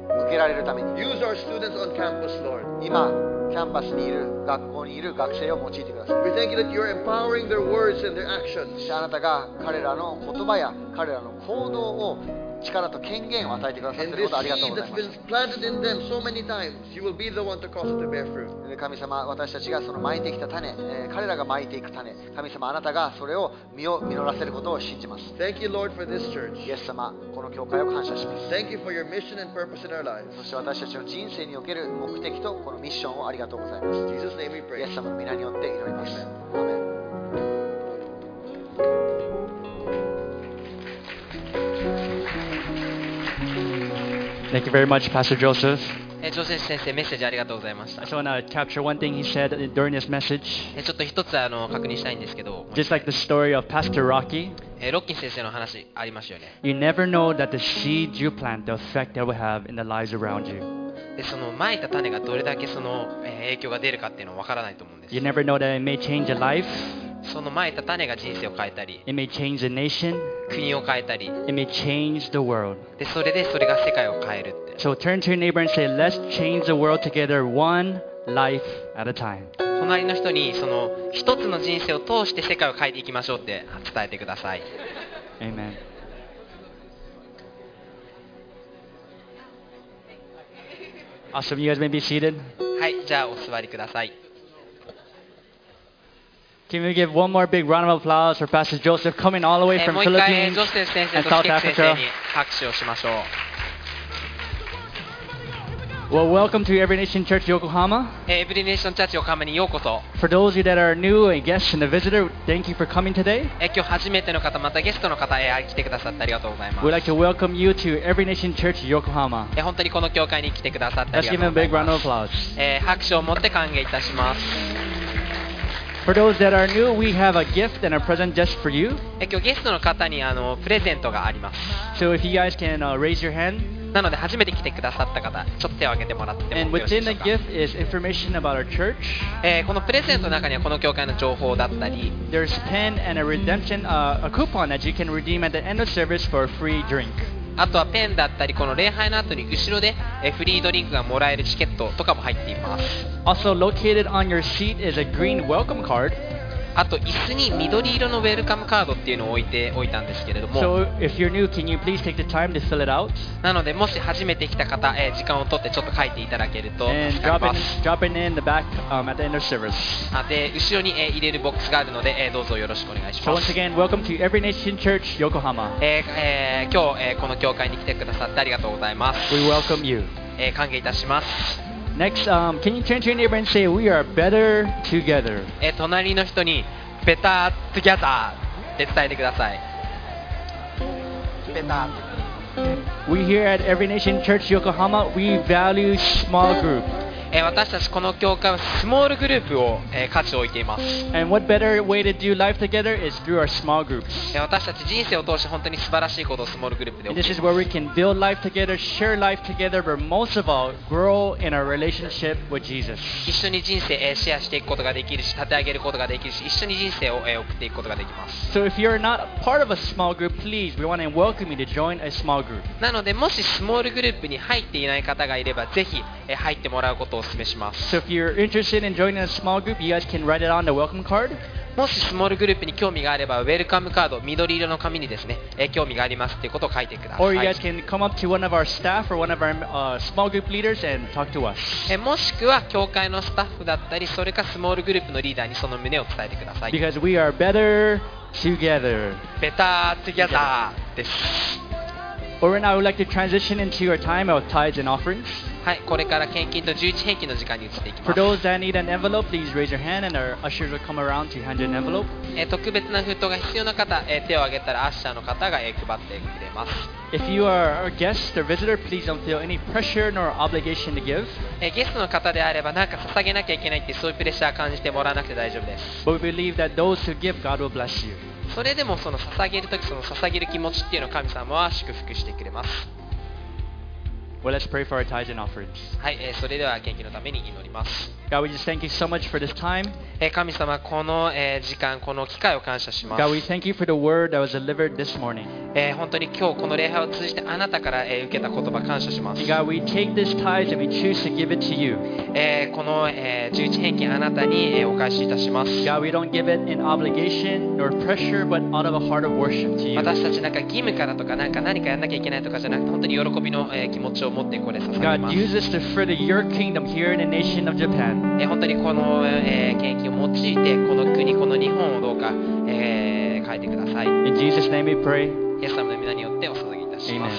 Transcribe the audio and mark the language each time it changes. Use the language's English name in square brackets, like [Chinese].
[Japanese] 受けられるために [English] Use our students on campus, Lord. [Japanese] 今キャンパスにいる学校にいる学生を用いてください [English] We thank you that you're empowering their words and their actions. [Japanese] あなたが彼らの言葉や彼らの行動を力と権限を与えてくださっていることをありがとうございます [English] And this seed that's been planted in them so many times, you will be the one to cause it to bear fruit. [Japanese] 神様私たちがその蒔いてきた種、彼らが蒔いていく種神様あなたがそれを実を実らせることを信じます [English] Thank you, Lord, for this church. [Japanese] イエス様この教会を感謝します [English] Thank you for your mission and purpose in our lives. [Japanese] そして私たちの人生における目的とこのミッションをありがとうございます [English] Jesus' name we pray. [Japanese] イエス様の皆によって祈りますアメン [English] Thank you very much, Pastor Joseph. [Japanese] Joseph 先生、メッセージありがとうございました。 [English] I just want to capture one thing he said during his message. [Japanese] ちょっと一つ確認したいんですけど。 [English] Just like the story of Pastor Rocky. [Japanese] ロッキー先生の話ありますよね。 [English] You never know that the seed you plant, the effect that will have in the lives around you. [Japanese] で、その蒔いた種がどれだけその影響が出るかっていうのはわからないと思うんです。 [English] You never know that it may change a life. [Japanese] その蒔いた種が人生を変えたり [English] It may change the nation. [Japanese] 国を変えたり [English] It may change the world. [Japanese] でそれでそれが世界を変えるって [English] So turn to your neighbor and say Let's change the world together one life at a time [Japanese] 隣の人にその一つの人生を通して世界を変えていきましょうって伝えてください [English] Amen Awesome, you guys may be seated [Japanese] はい、じゃあお座りください [English] Can we give one more big round of applause for Pastor Joseph coming all the way from Philippines and South Africa? Well, welcome to Every Nation Church Yokohama. [Japanese] Every Nation Church Yokohama にようこそ。 [English] For those of you that are new, a guest and a visitor, thank you for coming today. [Japanese] 今日初めての方、またゲストの方へ来てくださってありがとうございます。 [English] We'd like to welcome you to Every Nation Church Yokohama. [Japanese] 本当にこの教会に来てくださってありがとうございます。 [English] Let's give him a big round of applause. [Japanese] 拍手を持って歓迎いたします。 [English] For those that are new, we have a gift and a present just for you. [Japanese] 今日ゲストの方にプレゼントがあります。 [English] So if you guys can raise your hand. [Japanese] なので初めて来てくださった方、ちょっと手を挙げてもらってもよろしいでしょうか。 [English] And within the gift is information about our church. [Japanese] このプレゼントの中にはこの教会の情報だったり。 [English] There's a pen and a redemption, a coupon that you can redeem at the end of service for a free drink. [Japanese] あとはペンだったりこの礼拝の後に後ろでフリードリンクがもらえるチケットとかも入っています [English] Also located on your seat is a green welcome card [Japanese] あと椅子に緑色のウェルカムカードっていうのを置いておいたんですけれども [English] So if you're new can you please take the time to fill it out [Japanese] なのでもし初めて来た方時間を取ってちょっと書いていただけると助かります [English] And drop it in the back at the end of service [Japanese] で後ろに入れるボックスがあるのでどうぞよろしくお願いします [English] So once again welcome to Every Nation Church Yokohama [Japanese] 今日この教会に来てくださってありがとうございます [English] We welcome you [Japanese] 歓迎いたします [English] Next, can you turn to your neighbor and say, we are better together. [Japanese] 隣の人に [English] better together [Japanese] って伝えてください。 [English] We here at Every Nation Church Yokohama, we value small group. [Japanese] 私たちこの教会はスモールグループを価値を置いています。 [English] And what better way to do life together is through our small groups. [Japanese] 私たち人生を通して本当に素晴らしいことをスモールグループで [English] This is where we can build life together, share life together, but most of all, grow in our relationship with Jesus. [Japanese] 一緒に人生シェアしていくことができるし、立て上げることができるし、一緒に人生を送っていくことができます。 [English] So if you're not part of a small group, please, we want to welcome you to join a small group. [Japanese] なのでもしスモールグループに入っていない方がいれば、ぜひ入ってもらうことを [English] So if you're interested in joining a small group, you guys can write it on the welcome card. [Japanese] もしスモールグループに興味があればウェルカムカード緑色の紙にですね興味がありますということを書いてください。 [English] Or you guys can come up to one of our staff or one of our small group leaders and talk to us. [Japanese] もしくは教会のスタッフだったりそれかスモールグループのリーダーにその旨を伝えてください。 [English] Because we are better together. Better together [Japanese] です。 [English] Or now I would like to transition into our time of tithes and offerings. [Japanese] はい、これから献金と十一返金の時間に移っていきます。 [English] For those that need an envelope, please raise your hand and our ushers will come around to hand you an envelope. [Japanese] 特別な封筒が必要な方、手を挙げたらアッシャーの方が配ってくれます。 [English] If you are a guest or visitor, please don't feel any pressure nor obligation to give. [Japanese] ゲストの方であれば、なんか捧げなきゃいけないってそういうプレッシャー感じてもらわなくて大丈夫です。 [English] But we believe that those who give, God will bless you. [Japanese] それでもその捧げるとき、その捧げる気持ちっていうのを神様は祝福してくれます。 [English] Well, let's pray for our tithes and offerings. [Japanese] はい、それでは献金のために祈ります。 [English] God, we just thank you so much for this time. [Japanese] 神様、この時間、この機会を感謝します。 [English] God, we thank you for the word that was delivered this morning. [Japanese] 本当に今日この礼拝を通じてあなたから受けた言葉感謝します。 [English] God, we take this tithe and we choose to give it to you. [Japanese] この十一献金あなたにお返しいたします。 [English] God, we don't give it in obligation or pressure, but out of a heart of worship to you. [Japanese] 私たちなんか義務からとかなんか何かやんなきゃいけないとかじゃなくて、本当に喜びの気持ちを持ってこれ捧げます。 [English] God, use this to further your kingdom here in the nation of Japan. [Japanese] 本当にこの献金を用いてこの国この日本をどうか変えてください。 [English] In Jesus' name we pray. [Japanese] イエス様の御名によってお捧げいたします。